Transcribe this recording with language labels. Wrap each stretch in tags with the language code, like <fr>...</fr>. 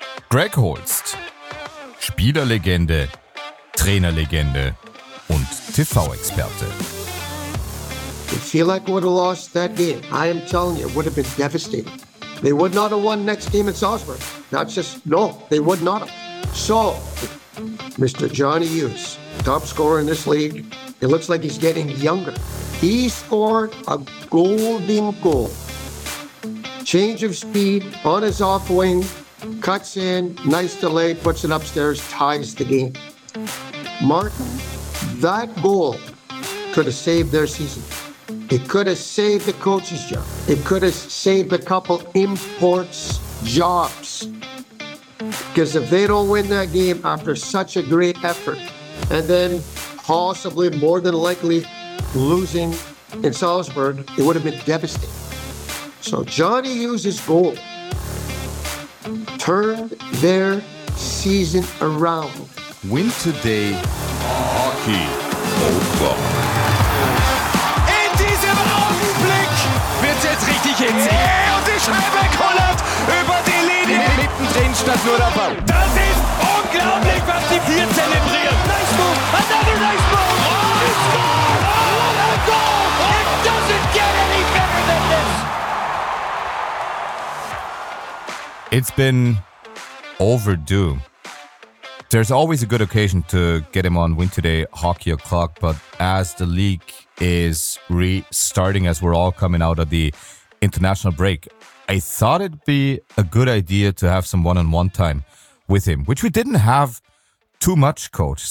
<de>Greg Holst, Spielerlegende, Trainerlegende und TV-Experte.</de> <en>I feel like we'd have lost that game. I am telling you, it would have been devastating. They would not have won next game in Salzburg. That's just, no, they would not have. So, Mr. Johnny Hughes, top scorer in this league, it looks like he's getting younger. He scored a golden goal. Change of speed on his off wing, cuts in, nice delay, puts it upstairs, ties the game. Martin, that goal could have saved their season. It could have saved the coach's job. It could have saved a couple imports' jobs. Because if they don't win that game after such a great effort, and then possibly more than likely losing in Salzburg, it would have been devastating. So Johnny Hughes' goal turned their season around. Win today, hockey O'Clock.</en> <de>In diesem Augenblick wird es jetzt richtig hitzig. Yeah, und die Scheibe kollert über die Linie. Yeah. Mittendrin statt nur der Ball. Das ist unglaublich, was die vier zelebrieren.</de> <en>Nice move, another nice move. Oh, he's scored! What a goal! It doesn't get any better than this. It's been overdue. There's always a good occasion to get him on Win Today Hockey O'Clock, but as the league is restarting, as we're all coming out of the international break, I thought it'd be a good idea to have some one-on-one time with him, which we didn't have too much, Coach.</en>